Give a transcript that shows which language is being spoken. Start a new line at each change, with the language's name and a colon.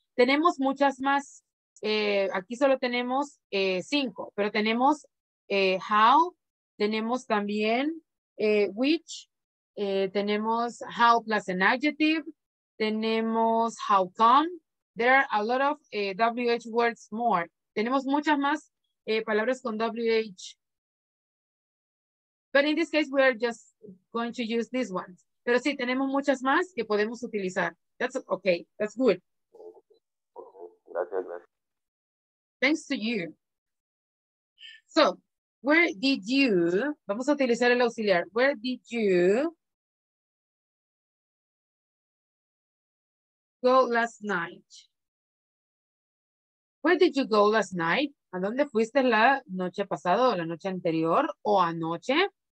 Spanish: Tenemos muchas más, aquí solo tenemos cinco, pero tenemos how, tenemos también which, tenemos
English: how plus an adjective,
Spanish: tenemos how come.
English: There are a lot of WH words more.
Spanish: Tenemos muchas más palabras con WH.
English: But in this case, we are just going to use this one.
Spanish: Pero sí, tenemos muchas más que podemos utilizar.
English: That's okay. That's good.
Spanish: Gracias.
English: Thanks to you. So, where did you,
Spanish: vamos a utilizar el auxiliar,
English: where did you go last night? Where did you go last night?
Spanish: ¿A dónde fuiste la noche pasada o la noche anterior o anoche?